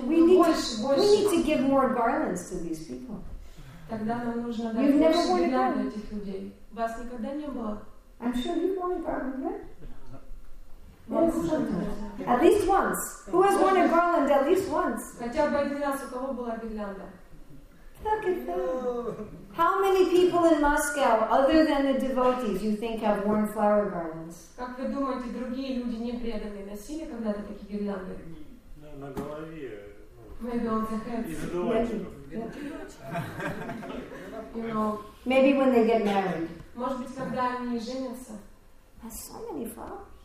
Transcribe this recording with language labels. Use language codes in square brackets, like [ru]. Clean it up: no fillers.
[en] We need to give more garlands to these people. [ru] Тогда нам нужно дать. [en] You've never worn a garland. [ru] Вас никогда не было. [en] I'm sure you've worn a garland, right? At least once. Who has worn a garland at least once? [ru] Хотя бы один раз у кого была гирлянда. [en] Look at that. How many people in Moscow, other than the devotees, you think have worn flower garlands? [ru] Как вы думаете, другие люди не преданные носили когда-то такие гирлянды? На голове. [en] Maybe on the head. [ru] Из одуванчиков. [en] You know. Maybe when they get married. [ru] Может быть, когда они женятся. [en] There's so many flowers.